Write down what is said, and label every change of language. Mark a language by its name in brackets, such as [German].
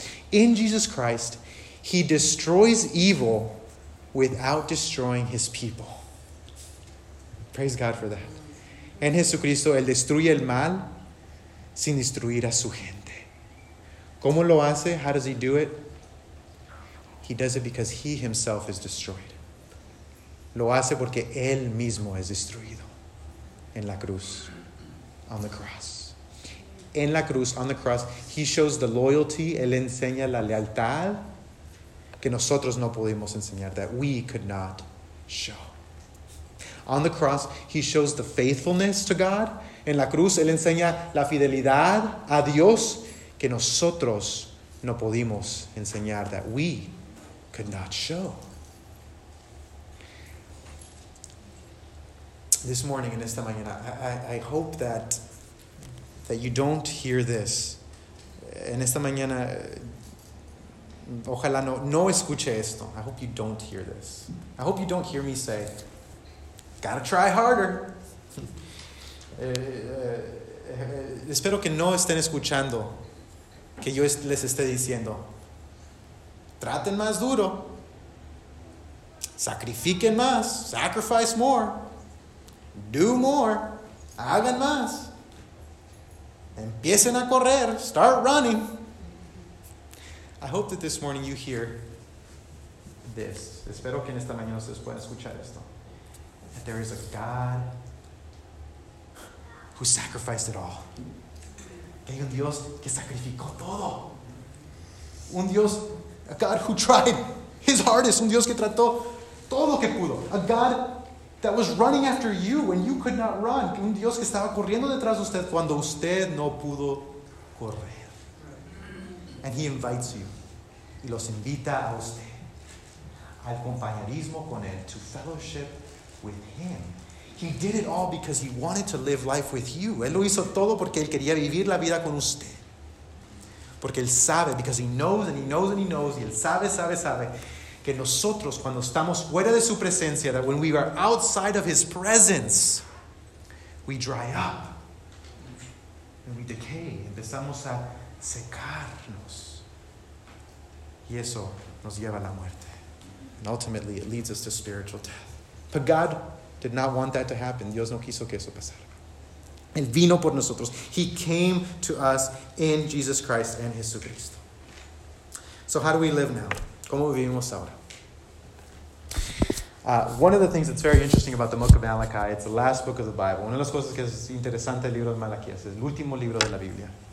[English] In Jesus Christ, he destroys evil without destroying his people. Praise God for that. [Spanish] En Jesucristo, él destruye el mal sin destruir a su gente. ¿Cómo lo hace? [English] How does he do it? He does it because he himself is destroyed. [Spanish] Lo hace porque él mismo es destruido en la cruz, [English] on the cross. [Spanish] En la cruz, [English] on the cross, he shows the loyalty, [Spanish] él enseña la lealtad que nosotros no pudimos enseñar, [English] that we could not show. On the cross, he shows the faithfulness to God. [Spanish] En la cruz, él enseña la fidelidad a Dios que nosotros no pudimos enseñar, [English] that we could not show. This morning, [Spanish] en esta mañana, [English] I hope that you don't hear this. [Spanish] En esta mañana, ojalá no escuche esto. [English] I hope you don't hear this. I hope you don't hear me say, gotta try harder. [Spanish] Espero que no estén escuchando que yo les esté diciendo, traten más duro, sacrifiquen más, [English] sacrifice more. Do more. [Spanish] Hagan más. Empiecen a correr. [English] Start running. I hope that this morning you hear this. [Spanish] Espero que en esta mañana ustedes puedan escuchar esto. [English] That there is a God who sacrificed it all. [Spanish] Que hay un Dios que sacrificó todo. Un Dios, [English] a God [Spanish] who tried his hardest. Un Dios que trató todo lo que pudo. [English] A God that was running after you when you could not run. [Spanish] Un Dios que estaba corriendo detrás de usted cuando usted no pudo correr. [English] And he invites you. [Spanish] Y los invita a usted. Al compañerismo con él. [English] To fellowship with him. He did it all because he wanted to live life with you. [Spanish] Él lo hizo todo porque él quería vivir la vida con usted. Porque él sabe, [English] because he knows and he knows and he knows, [Spanish] y él sabe, que nosotros cuando estamos fuera de su presencia, [English] that when we are outside of his presence, we dry up. And we decay. [Spanish] Empezamos a secarnos. Y eso nos lleva a la muerte. [English] And ultimately, it leads us to spiritual death. But God did not want that to happen. [Spanish] Dios no quiso que eso pasara. Él vino por nosotros. [English] He came to us in Jesus Christ and Jesucristo. So how do we live now? [Spanish] ¿Cómo vivimos ahora? [English] One of the things that's very interesting about the book of Malachi, it's the last book of the Bible. [Spanish] Una de las cosas que es interesante del libro de Malaquías, es el último libro de la Biblia.